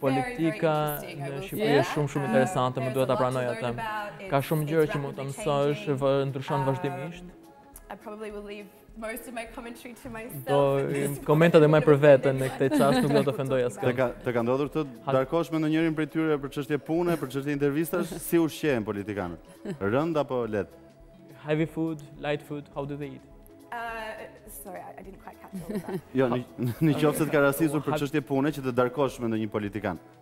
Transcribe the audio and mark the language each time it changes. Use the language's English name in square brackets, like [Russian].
[Albanian] politika në Shqipëri është shumë interesante, më duhet ta pranoj atë. Ka shumë gjëra që mund të mësosh, ndryshon vazhdimisht. [English] I probably will leave most of my commentary to myself. [Albanian] Do komentat e më për veten në këtë çast nuk do të ofendoj askë. Të ka ndodhur të darkosh me ndonjërin prej tyre për çështje pune, për çështje intervistash, si ushqehen politikanët? Rënd apo let? [English] Heavy food, light food, how do they eat? Sorry, I didn't quite catch all of that. [Albanian] Jo, në qoftë se të ka rastisur për çështje pune që të darkosh me ndonjë politikan.